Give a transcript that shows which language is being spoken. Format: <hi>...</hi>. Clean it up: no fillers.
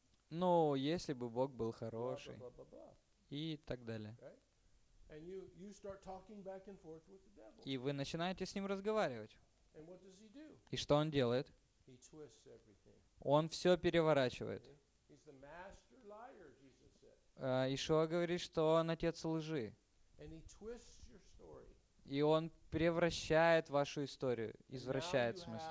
<ru>Ну, если бы Бог был хороший. И так далее.</ru> <en>And you start talking back and forth with the devil.</en> <ru>И вы начинаете с ним разговаривать.</ru> <en>And what does he do?</en> <ru>И что он делает?</ru> <en>He twists everything.</en> <ru>Он все переворачивает.</ru> <en>He's the master liar, Jesus said.</en> <ru>Ишуа говорит, что он отец лжи.</ru> <en>And he twists your story.</en> <ru>И он превращает вашу историю, извращает в смысле.</ru>